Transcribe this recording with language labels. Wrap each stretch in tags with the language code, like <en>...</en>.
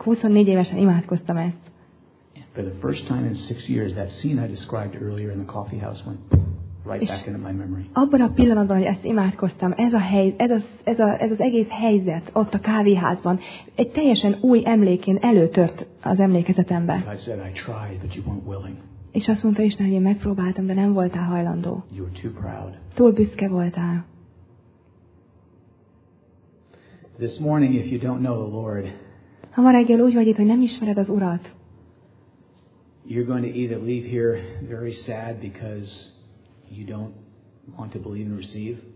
<hu>24 évesen imádkoztam ezt.</hu> <en>For the first time in 6 years, that scene I described earlier in the coffee house went right back into my memory.</en> <hu>Abban a pillanatban, hogy ezt imádkoztam, ez az egész helyzet ott a kávéházban egy teljesen új emlékén előtört az emlékezetembe.</hu> <en>I said, I tried, but you weren't willing.</en> <hu>És azt mondta Isten, hogy én megpróbáltam, de nem voltál hajlandó. Túl büszke voltál.</hu> <en>This morning, if you don't know the Lord,</en> <hu>ha ma reggel úgy vagy itt, hogy nem ismered az Urat,</hu> <en>you're going to either leave here very sad because you don't want to believe and receive.</en>